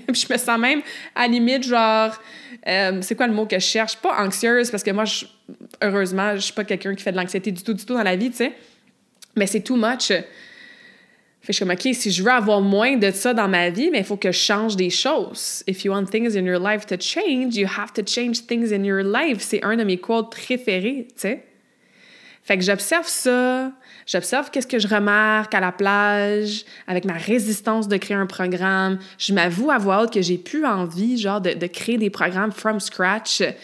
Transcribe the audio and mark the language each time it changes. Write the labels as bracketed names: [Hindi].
[French] Puis je me sens même, à la limite, genre, c'est quoi le mot que je cherche? Pas anxieuse, parce que moi, heureusement, je suis pas quelqu'un qui fait de l'anxiété du tout dans la vie, tu sais. Mais c'est [English] too much. [French] Fait que je suis comme, OK, si je veux avoir moins de ça dans ma vie, mais il faut que je change des choses. [English] If you want things in your life to change, you have to change things in your life. [French] C'est un de mes quotes préférés, tu sais. Fait que j'observe ça, j'observe qu'est-ce que je remarque à la plage, avec ma résistance de créer un programme. Je m'avoue à voix haute que j'ai plus envie, genre, de créer des programmes [English] from scratch.